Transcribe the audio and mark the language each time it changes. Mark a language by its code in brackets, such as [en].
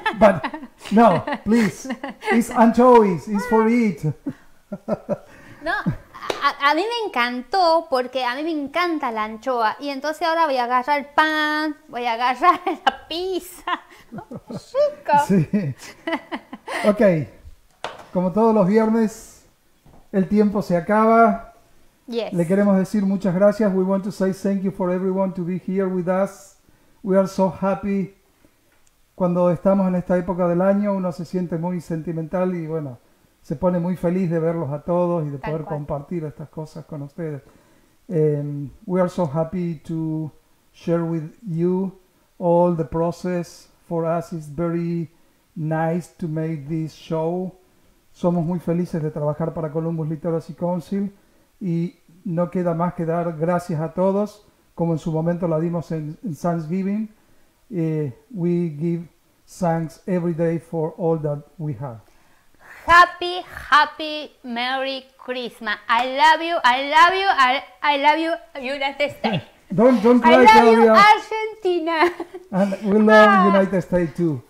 [en] But no, please, it's anchovies, it's for eat. [es] No. A mí me encantó porque a mí me encanta la anchoa y entonces ahora voy a agarrar el pan, voy a agarrar la pizza. ¡Chico! Sí. Ok, como todos los viernes, el tiempo se acaba. [en] Yes. [es] Le queremos decir muchas gracias. [en] We want to say thank you for everyone to be here with us. We are so happy. [es] Cuando estamos en esta época del año, uno se siente muy sentimental y bueno, se pone muy feliz de verlos a todos y de poder compartir estas cosas con ustedes. [en] We are so happy to share with you all the process. For us it's very nice to make this show. [es] Somos muy felices de trabajar para Columbus Literacy Council y no queda más que dar gracias a todos, como en su momento la dimos en Thanksgiving. [en] We give thanks every day for all that we have. Happy, happy, Merry Christmas. I love you, I love you, I love you, United States. Don't cry, I love Claudia. You, Argentina. And we love United States too.